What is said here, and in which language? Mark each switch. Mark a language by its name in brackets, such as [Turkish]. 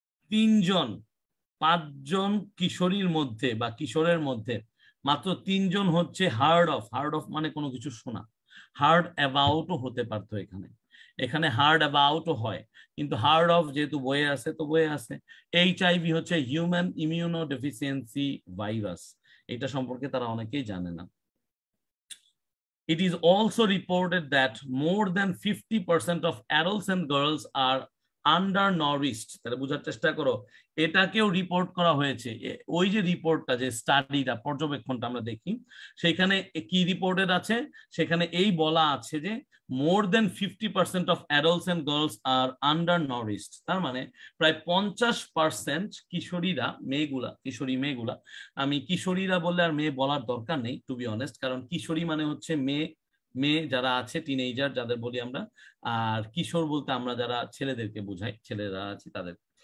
[Bangla] 3 জন 5 জন কিশোরীর মধ্যে বা কিশোরের মধ্যে মাত্র 3 জন হচ্ছে হার্ড অফ, হার্ড অফ মানে কোনো কিছু শোনা, হার্ড অ্যাবাউটও হতে পারতো এখানে, এখানে হার্ড অ্যাবাউটও হয় কিন্তু হার্ড অফ যেহেতু বয়ে আছে তো বয়ে আছে। HIV হচ্ছে হিউম্যান ইমিউনো ডেফিসিয়েন্সি ভাইরাস, এটা সম্পর্কে তারা অনেকেই জানে না। [English] It is also reported that more than 50% of adults and girls are undernourished. [Bangla] তাহলে বোঝার চেষ্টা করো, এটাকেও রিপোর্ট করা হয়েছে, ওই যে রিপোর্টটা যে স্টাডিটা পর্যবেক্ষণটা আমরা দেখি সেখানে কি রিপোর্টেড আছে, সেখানে এই বলা আছে যে [English] more than 50% of adolescent girls are undernourished, [Bangla] তার মানে প্রায় 50% কিশোরীরা, মেয়েগুলা, কিশোরী মেয়েগুলা, আমি কিশোরীরা বললে আর মেয়ে বলার দরকার নেই [English] to be honest, [Bangla] কারণ কিশোরী মানে হচ্ছে মেয়ে, মেয়ে যারা আছে টিনেজার যাদের বলি আমরা, আর কিশোর বলতে আমরা যারা ছেলেদেরকে বোঝাই, ছেলেরা আছে তাদের।